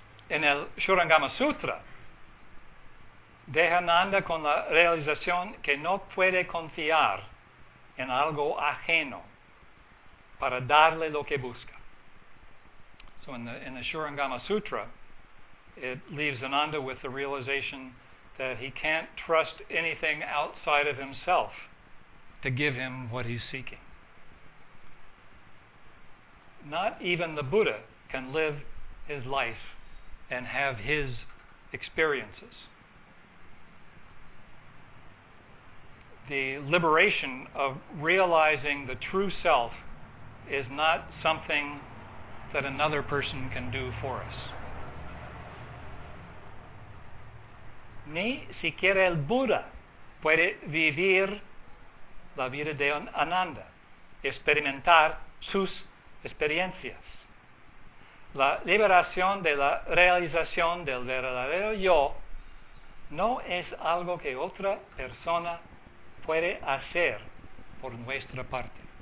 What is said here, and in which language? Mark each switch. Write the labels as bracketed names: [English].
[Spanish] En el Shurangama Sutra, deja Nanda con la realización que no puede confiar en algo ajeno para darle lo que busca. [English] So in the Shurangama Sutra, it leaves Ananda with the realization that he can't trust anything outside of himself to give him what he's seeking. Not even the Buddha can live his life and have his experiences. The liberation of realizing the true self is not something that another person can do for us. [Spanish] Ni siquiera el Buda puede vivir la vida de Ananda, experimentar sus experiencias. La liberación de la realización del verdadero yo no es algo que otra persona puede hacer por nuestra parte.